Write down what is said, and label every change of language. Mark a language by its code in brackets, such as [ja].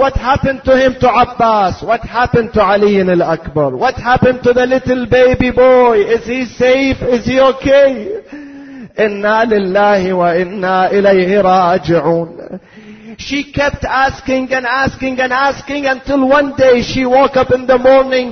[en] What happened to him, to Abbas? What happened to Ali al-Akbar? What happened to the little baby boy? Is he safe? Is he okay? [ar] إنا لله وإنا إليه راجعون. [en] She kept asking and asking and asking until one day she woke up in the morning.